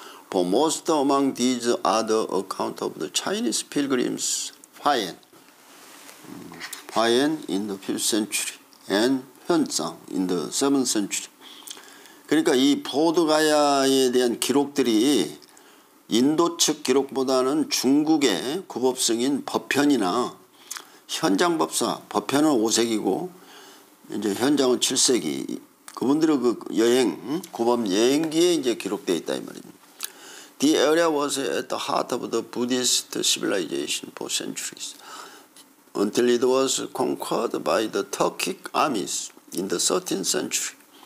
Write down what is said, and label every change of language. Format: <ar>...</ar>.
<en>For most among these are the account of the Chinese pilgrims Huayan in the 5th century and Huanzang in the 7th century.</en> <ko>그러니까 이 보드가야에 대한 기록들이 인도 측 기록보다는 중국의 구법승인 법현이나 현장법사, 법현은 5세기고 이제 현장은 7세기 그분들의 그 여행, 구법 여행기에 이제 기록되어 있다 이 말입니다.</ko> <en>The area was at the heart of the Buddhist civilization for centuries until it was conquered by the Turkic armies in the 13th century.</en>